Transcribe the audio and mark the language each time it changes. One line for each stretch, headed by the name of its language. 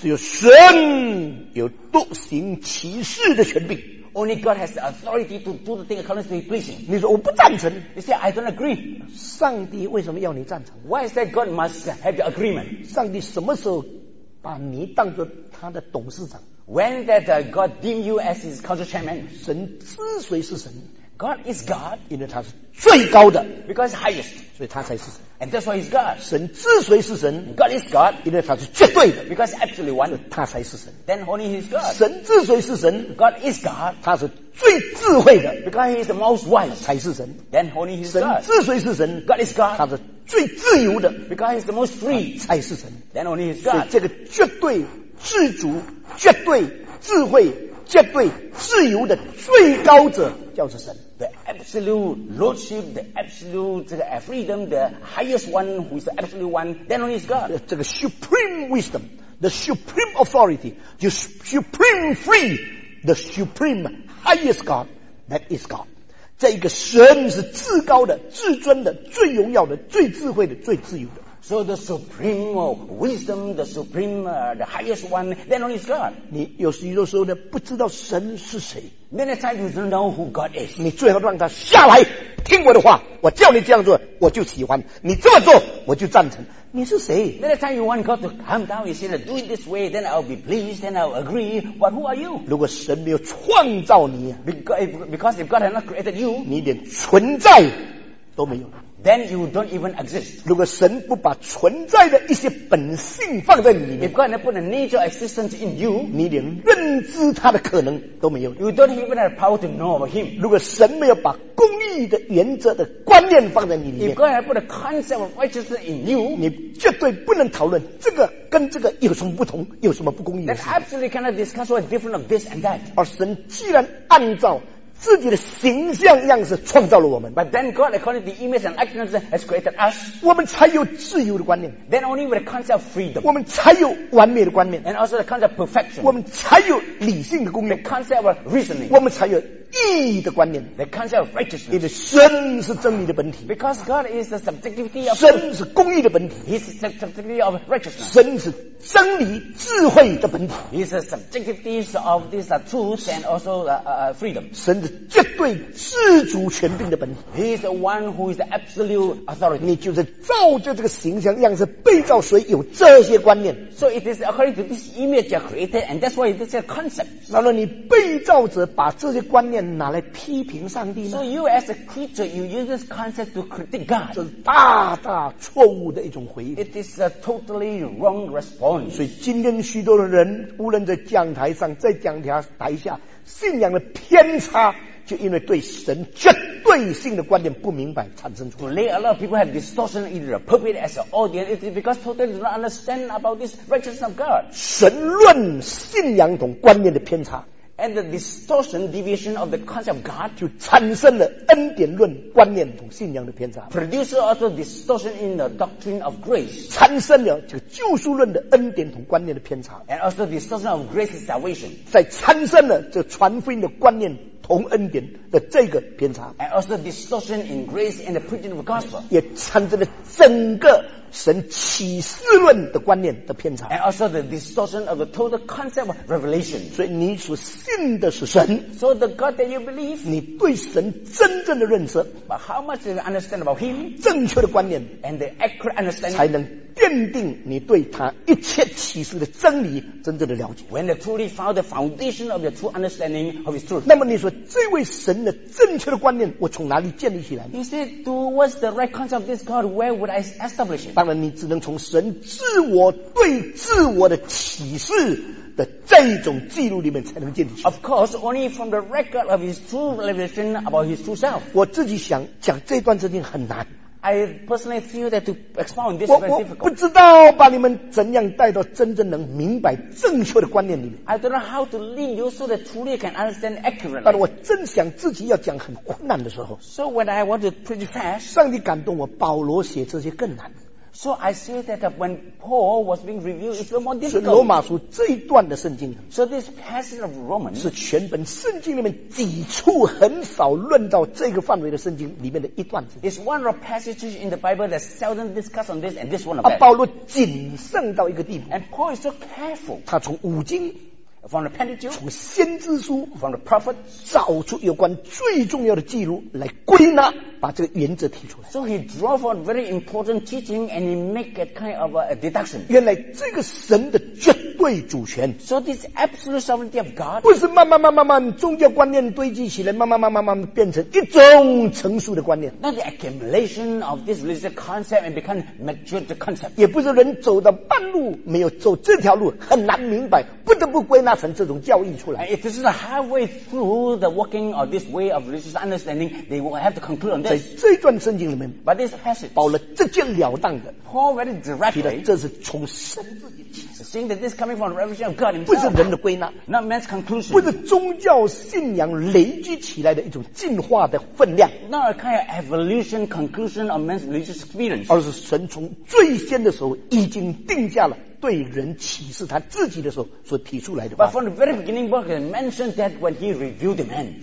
Chinese: 只有神有独行其事的权柄。
English: Only God has the authority to do the thing according to His pleasing.
Chinese: 你说我不赞成。
English: You say I don't agree.
Chinese: 上帝为什么要你赞成
English: ？Why is that God must have the agreement?
Chinese: 上帝什么时候把你当作他的董事长
English: ？When that God deem you as His council chairman?
Chinese: 神之所以是神
English: ，God is God，
Chinese: 因为他是最高的
English: ，because highest，
Chinese: 所以他才是神。
English: And that's why He's God.
Chinese: 神之所以是神
English: ，God is God，
Chinese: 因为他是绝对的
English: ，because absolutely one，
Chinese: 他才是神。
English: Then only He's God.
Chinese: 神之所以是神
English: ，God is God，
Chinese: 他是最智慧的
English: ，because He's the most wise，
Chinese: 才是神。
English: Then only He's God.
Chinese: 神之所以是神
English: ，God is God，
Chinese: 他是最自由的
English: ，because He's the most free，
Chinese: 才是神。
English: Then only He's God.
Chinese: 所以这个绝对自主、绝对智慧、绝对自由的最高者叫做神。
English: The absolute lordship, the absolute freedom, the highest one who is the absolute one, then only is God.
Chinese: 这个
English: supreme wisdom, the supreme authority, the supreme free, the supreme highest God, that is God.
Chinese: 这个神是至高的、至尊的、最荣耀的、最智慧的、最自由的。
English: So the supreme wisdom, the supreme, the highest one, then only is God.
Chinese: 你有时候呢，不知道神是谁。
English: Many times you don't know who God is.
Chinese: 你最好让他下来听我的话。我叫你这样做，我就喜欢；你这么做，我就赞成。你是谁
English: ？Many times you want God to come down. You say, "Do it this way, then I'll be pleased, then I'll agree." But who are you?
Chinese: 如果神没有创造你
English: ，because if God has not created you,
Chinese: 你连存在都没有。
English: Then you don't even exist.
Chinese: 如果神不把存在的一些本性放在你里面
English: ，If God never put a nature existence in you,
Chinese: 你连认知他的可能都没有。
English: You don't even have power to know about him.
Chinese: 如果神没有把公义的原则的观念放在你里面
English: ，If God never put a concept of righteousness in you,
Chinese: 你绝对不能讨论这个跟这个有什么不同，有什么不公义的事。
English: Then absolutely cannot discuss what's different of this and that.
Chinese: 而神既然按照自己的形象样式创造了我们
English: ，But then God, according to the image and likeness, has created us.
Chinese: 我们才有自由的观念
English: ，Then only with the concept of freedom.
Chinese: 我们才有完美的观念
English: ，And also the concept of perfection.
Chinese: 我们才有理性的观念
English: ，The concept of reasoning.
Chinese: 我们才有义的观念
English: ，The concept of righteousness.
Chinese: 因为神是真理的本体
English: ，Because God is the subjectivity of
Chinese: 神是公义的本体
English: ，He's the subjectivity of righteousness.
Chinese: 神是真理智慧的本体
English: ，He's the subjectivity of these truths and also freedom.
Chinese: 神是绝对自主权柄的本体
English: ，He is the one who is the absolute authority.
Chinese: 你就是照着这个形象样式被造，所以有这些观念。
English: So it is according to this image you created, and that's why this concept.
Chinese: 那么你被造者把这些观念拿来批评上帝呢
English: ？So you as a creature, you use this concept to critique God.
Chinese: 这是大大错误的一种回应。
English: It is a totally wrong response.
Chinese: 所以今天许多的人，无论在讲台上，在讲台下。信仰的偏差就因为对神绝对性的观点不明白产生出来
English: A lot of people have distortion in the pulpit as an audience It is because totally do not understand about this righteousness of God
Chinese: 神论信仰同观念的偏差
English: And the distortion deviation of the concept of God
Chinese: 就产生了恩典论观念同信仰的偏差
English: Produces also distortion in the doctrine of grace
Chinese: 产生了这个救赎论的恩典同观念的偏差
English: And also distortion of grace is salvation
Chinese: 在产生了这传福音的观念同恩典的这个偏差
English: and also distortion in grace and the preaching of the gospel
Chinese: 也产生了整个神启示论的观念的偏差。
English: And also the distortion of the total concept of revelation.
Chinese: 所以你所信的是神。
English: So the God that you believe.
Chinese: 你对神真正的认识。
English: But how much do you understand about him?
Chinese: 正确的观念。
English: And the accurate understanding.
Chinese: 才能奠定你对他一切启示的真理真正的了解。
English: When you truly found the foundation of your true understanding of his truth.
Chinese: 那么你说这位神的正确的观念我从哪里建立起来？
English: He said, to what's the right concept of this God? Where would I establish it?
Chinese: 当然你只能从神自我对自我的启示的这一种记录里面才能建立起来。
English: Of course, only from the record of his true revelation about his true self.
Chinese: 我自己想讲这段圣经很难。
English: I personally feel that to expound this is very difficult.
Chinese: 我不知道把你们怎样带到真正能明白正确的观念里面。
English: I don't know how to lead you so that truly can understand accurately.
Chinese: 但我真想自己要讲很困难的时候。
English: So when I want to preach fast.
Chinese: 上帝感动我，保罗写这些更难。
English: So I see that when Paul was being reviewed, it's a little more difficult.
Chinese: 是罗马书这一段的圣经。
English: So this passage of Romans.
Chinese: 是全本圣经里面几处很少论到这个范围的圣经里面的一段。
English: It's one of passages in the Bible that seldom discuss on this and this one of that.
Chinese: 保罗谨慎到一个地步。
English: And Paul is so careful.
Chinese: 他从五经。
English: From the Pentateuch,
Chinese: 从先知书
English: from the prophet,
Chinese: 找出有关最重要的记录来归纳，把这个原则提出来。
English: So he draws a very important teaching and he makes a kind of a deduction.
Chinese: 原来这个神的绝对主权。
English: So this absolute sovereignty of God
Chinese: 不是慢慢慢慢慢宗教观念堆积起来，慢慢慢慢慢慢变成一种成熟的观念。
English: Not the accumulation of this religious concept and become mature concept.
Chinese: 也不是人走到半路没有走这条路很难明白，不得不归纳。那成这种教义出来。
English: If this is a halfway through the walking of this way of religious understanding, they will have to conclude on this.
Chinese: 在这段圣经里面
English: ，But this passage,
Chinese: 保罗直截了当的
English: ，Paul very directly,
Chinese: 提的这是从神自己
English: ，Seeing that this coming from the revelation of God himself,
Chinese: 不是人的归纳
English: ，Not man's conclusion,
Chinese: 不是宗教信仰累积起来的一种进化的分量
English: ，Not a kind of evolution conclusion of man's religious experience,
Chinese: 而是神从最先的时候已经定下了。对人启示他自己的时候所提出来的话。
English: But from the very beginning, Paul mentioned that when he reviewed the man.